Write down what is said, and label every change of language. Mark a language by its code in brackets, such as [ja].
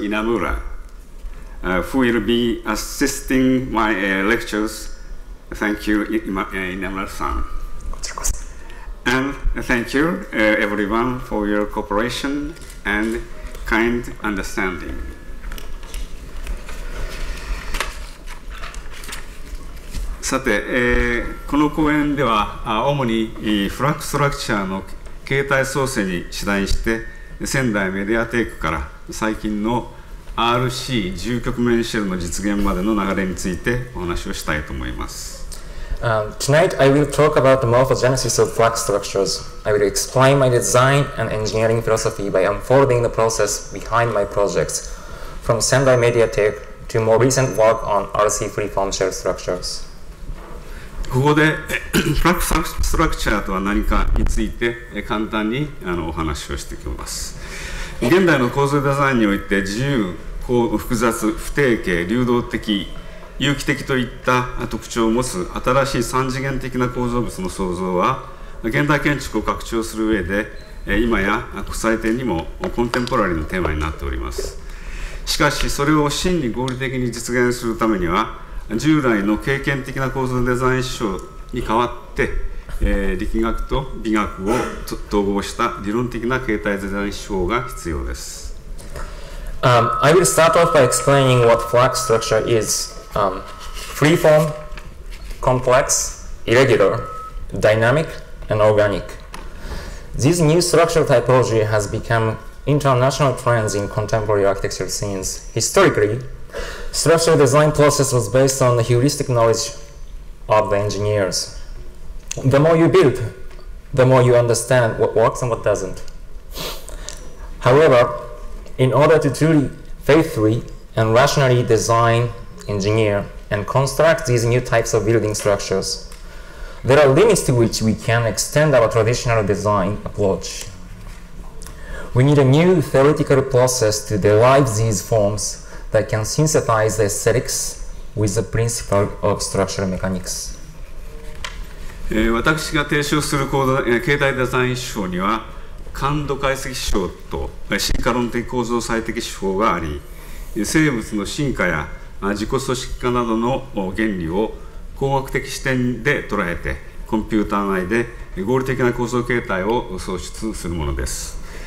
[en] Inamura, who will be assisting my lectures. Thank you, Inamura-san. And thank you, everyone, for your cooperation and kind understanding. [ja] さて、この講演では主にフラックストラクチャーの形態創生に主題して仙台メディアテイクから最近の RC 重局面シェルの実現までの流れについてお話をしたいと思います。 [en] Tonight I will talk about the morphogenesis of flux structures. I will explain my design and engineering philosophy by unfolding the process behind my projects from Sendai Mediateque to more recent work on RC freeform shell structures. [ja] ここでフラックストラクチャーとは何かについて簡単にお話をしていきます。現代の構造デザインにおいて自由、複雑、不定型、流動的、有機的といった特徴を持つ新しい三次元的な構造物の創造は現代建築を拡張する上で今や国際展にもコンテンポラリーのテーマになっております。しかしそれを真に合理的に実現するためには従来の経験的な構造デザイン思想に代わって力学と美学を統合した理論的な形態デザイン思想が必要です。 [en] I will start off by explaining what flux structure isfree form, complex, irregular, dynamic, and organic. This new structural typology has become international trends in contemporary architecture scenes. Historically, structural design process was based on the heuristic knowledge of the engineers. The more you build, the more you understand what works and what doesn't. However, in order to truly faithfully and rationally design, engineer, and construct these new types of building structures, there are limits to which we can extend our traditional design approach. We need a new theoretical process to derive these forms that can synthesize the aesthetics with the principle of structural mechanics. [ja] 私が提唱する形態デザイン手法には、感度解析手法と進化論的構造最適手法があり、生物の進化や自己組織化などの原理を工学的視点で捉えてコンピューター内で合理的な構造形態を創出するものです。